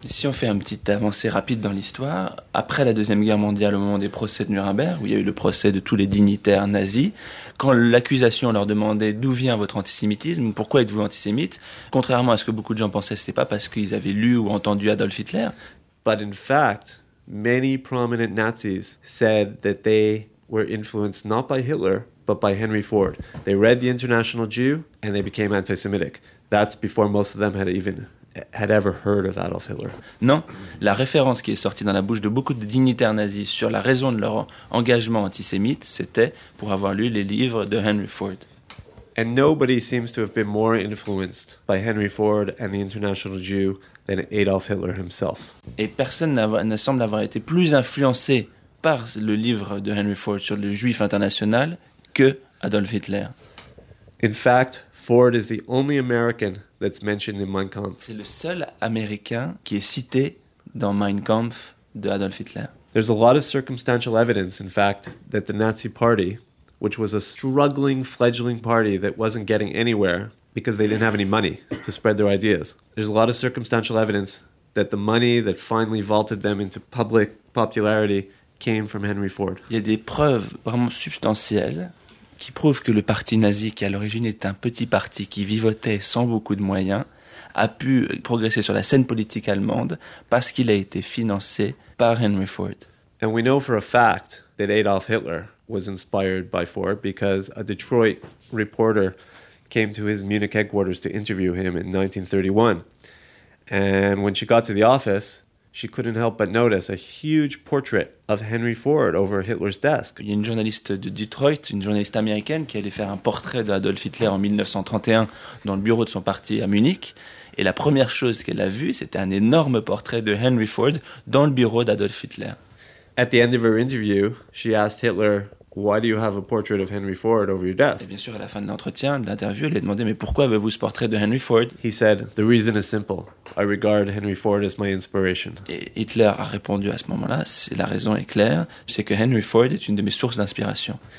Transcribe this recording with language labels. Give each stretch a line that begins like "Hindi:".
French: Et si on fait une petite avancée rapide dans l'histoire, après la Deuxième Guerre mondiale, au moment des procès de Nuremberg, où il y a eu le procès de tous les dignitaires nazis, quand l'accusation leur demandait d'où vient votre antisémitisme, pourquoi êtes-vous antisémite, contrairement à ce que beaucoup de gens pensaient, c'était pas parce qu'ils avaient lu ou entendu Adolf Hitler.
English: But in fact, many prominent Nazis said that they were influenced not by Hitler, but by Henry Ford. They read The International Jew and they became anti-Semitic. That's before most of them had ever heard of Adolf Hitler.
French: Non, la référence qui est sortie dans la bouche de beaucoup de dignitaires nazis sur la raison de leur engagement antisémite, c'était pour avoir lu les livres de Henry Ford.
English: And nobody seems to have been more influenced by Henry Ford and The International Jew than Adolf Hitler himself.
French: Et personne ne semble avoir été plus influencé par le livre de Henry Ford sur le juif international que Adolf Hitler.
English: In fact, Ford is the only American that's mentioned in Mein Kampf.
French: C'est le seul Américain qui est cité dans Mein Kampf de Adolf Hitler.
English: There's a lot of circumstantial evidence, in fact, that the Nazi Party, which was a struggling, fledgling party that wasn't getting anywhere because they didn't have any money to spread their ideas. There's a lot of circumstantial evidence that the money that finally vaulted them into public popularity came from Henry Ford.
French: Il y a des preuves vraiment substantielles qui prouvent que le parti nazi, qui à l'origine est un petit parti qui vivotait sans beaucoup de moyens, a pu progresser sur la scène politique allemande parce qu'il a été financé par Henry Ford.
English: And we know for a fact that Adolf Hitler was inspired by Ford because a Detroit reporter came to his Munich headquarters to interview him in 1931. And when she got to the office, she couldn't help but notice a huge portrait of Henry Ford over Hitler's desk.
French: Il y a une journaliste de Detroit, une journaliste américaine, qui allait faire un portrait d'Adolf Hitler en 1931 dans le bureau de son parti à Munich. Et la première chose qu'elle a vue, c'était un énorme portrait de Henry Ford dans le bureau d'Adolf Hitler.
English: At the end of her interview, she asked Hitler, why do you have a portrait of Henry Ford over your desk?
French: Et bien sûr, à la fin de l'entretien, de l'interview, elle lui a demandé, mais pourquoi avez-vous ce portrait de Henry Ford?
English: He said, the reason is simple. I regard Henry Ford as my inspiration.
French: Et Hitler a répondu à ce moment-là, la raison est claire, c'est que Henry Ford est une de mes sources d'inspiration.